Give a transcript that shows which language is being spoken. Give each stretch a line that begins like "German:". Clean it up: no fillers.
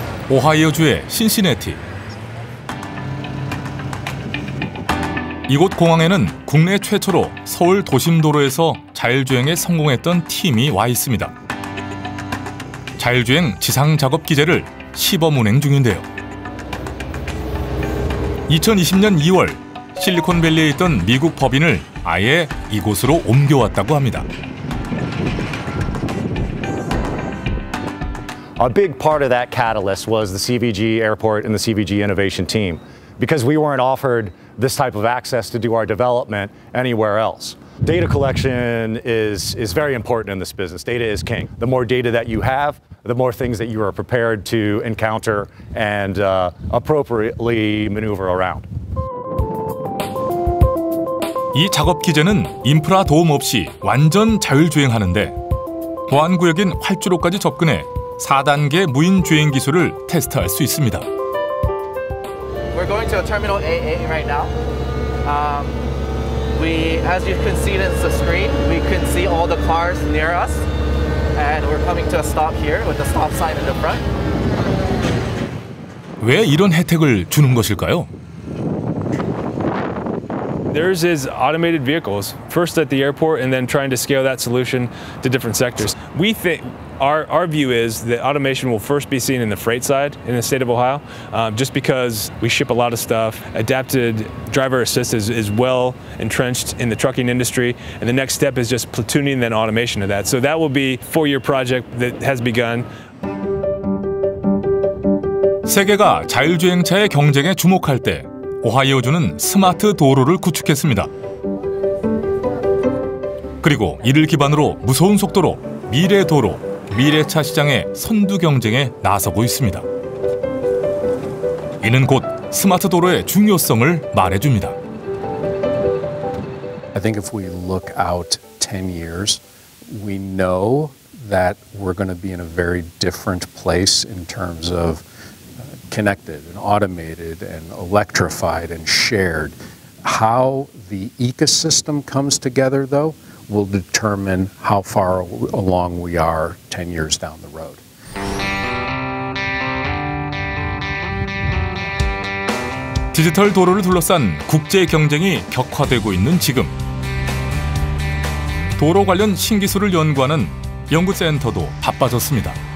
Korean: 오하이오주의 신시내티. 이곳 공항에는 국내 최초로 서울 도심 도로에서 자율주행에 성공했던 팀이 와 있습니다. 자율주행 지상 작업 기재를 시범 운행 중인데요. 2020년 2월 실리콘밸리에 있던 미국 법인을 아예 이곳으로 옮겨왔다고 합니다.
English: A big part of that catalyst was the CVG Airport and the CVG Innovation Team, because we weren't offered this type of access to do our development anywhere else. Data collection is very important in this business. Data is king. The more data that you have, the more things that you are prepared to encounter and appropriately maneuver around.
Korean: 이 작업 기재는 인프라 도움 없이 완전 자율주행하는데 보안 구역인 활주로까지 접근해 4단계 무인 주행 기술을 테스트할 수 있습니다.
English: We're going to terminal A8 right now. We as you can see in the screen, we can see all the cars near us and we're coming to a stop here with the stop sign in the front.
Korean: 왜 이런 혜택을 주는 것일까요?
English: There's is automated vehicles first at the airport and then trying to scale that solution to different sectors. We think our view is that automation will first be seen in the freight side in the state of Ohio, just because we ship a lot of stuff. Adapted driver assist is well entrenched in the trucking industry, and the next step is just platooning then automation of that. So that will be a four-year project that has begun.
Korean: 세계가 자율주행차의 경쟁에 주목할 때 오하이오주는 스마트 도로를 구축했습니다. 그리고 이를 기반으로 무서운 속도로 미래 도로, 미래차 시장의 선두 경쟁에 나서고 있습니다. 이는 곧 스마트 도로의 중요성을 말해줍니다.
English: I think if we look out 10 years, we know that we're going to be in a very different place in terms of connected and automated and electrified and shared. How the ecosystem comes together, though, will determine how far along we are 10 years down the road.
Korean: 디지털 도로를 둘러싼 국제 경쟁이 격화되고 있는 지금. 도로 관련 신기술을 연구하는 연구센터도 바빠졌습니다.